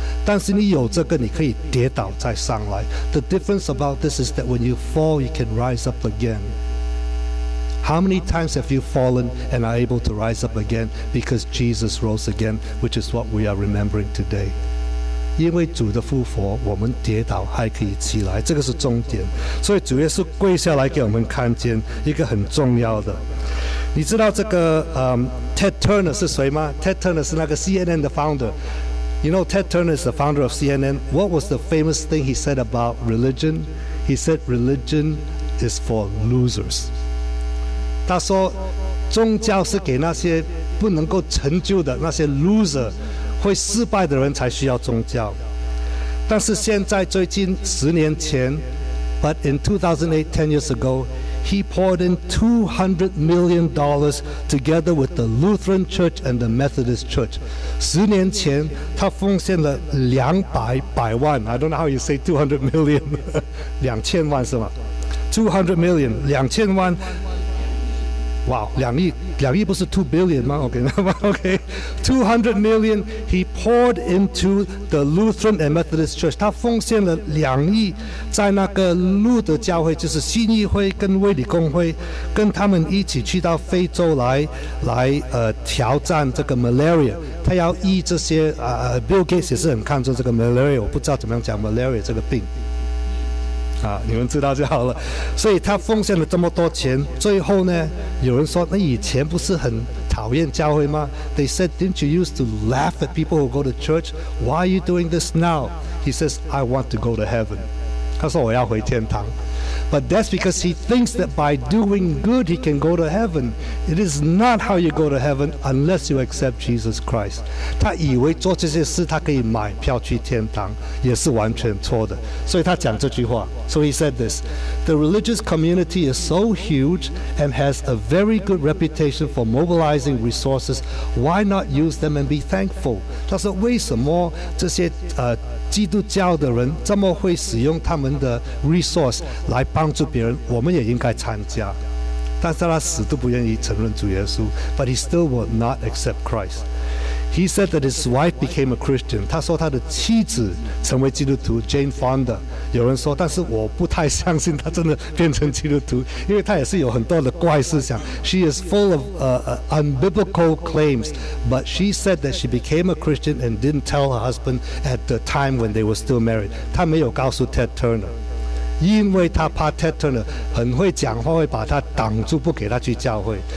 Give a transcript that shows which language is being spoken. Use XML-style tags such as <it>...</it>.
<zh>但是你有这个，你可以跌倒再上来。</zh> <en>The difference about this is that when you fall, you can rise up again. How many times have you fallen and are able to rise up again? Because Jesus rose again, which is what we are remembering today.</en> <zh>因为主的复活，我们跌倒还可以起来，这个是重点。所以主耶稣跪下来给我们看见一个很重要的。你知道这个Ted Turner 是谁吗 ？Ted Turner 是那个 CNN 的 founder。</zh> <en>You know, Ted Turner is the founder of CNN. What was the famous thing he said about religion? He said, religion is for losers.</en> <zh>他说，宗教是给那些不能够成就的，那些 loser, 会失败的人才需要宗教。但是现在最近十年前</zh> <en>but in 2008, 10 years ago,He poured in $200 million together with the Lutheran Church and the Methodist Church.</en> <zh>十年前，他奉献了200万。</zh> <en>I don't know how you say 200 million.</en> <zh>两千万是吗</zh> <en>？200 million,</en> <zh>两千万。 Wow, 两亿，两亿不是</zh> <en>two billion</en> <zh>吗 ？OK,</zh> <en>OK. 200 million he poured into the Lutheran and Methodist Church.</en> <zh>他奉献了两亿在那个路德教会，就是信义会跟卫理公会，跟他们一起去到非洲来挑战这个 malaria. 他要医这些Bill Gates 也是很看重这个 malaria. 我不知道怎么样讲 malaria 这个病。啊，你们知道就好了。所以他奉献了这么多钱，最后呢，有人说，那以前不是很讨厌教会吗</zh> <en>？They said, didn't you used to laugh at people who go to church? Why are you doing this now? He says, I want to go to heaven.</en> <zh>他说我要回天堂。</zh> <en>But that's because he thinks that by doing good, he can go to heaven. It is not how you go to heaven unless you accept Jesus Christ.</en> <zh>他以为做这些事他可以买票去天堂，也是完全错的。所以他讲这句话。</zh> <en>So he said this, the religious community is so huge and has a very good reputation for mobilizing resources. Why not use them and be thankful?</en> <zh>他说为什么这些基督教的人这么会使用他们的 resource 来帮助别人，我们也应该参加。但是他死都不愿意承认主耶稣</zh> <en>，But he still will not accept Christ. He said that his wife became a Christian.</en> <zh>他说他的妻子成为基督徒 ，Jane Fonda。有人说，但是我不太相信他真的变成基督徒，因为他也是有很多的怪思想。</zh> <en>She is full of unbiblical claims, but she said that she became a Christian and didn't tell her husband at the time when they were still married.</en> <zh>他没有告诉 Ted Turner。因为他怕 Ted Turner 很会讲话，会把他挡住，不给他去教会。</zh>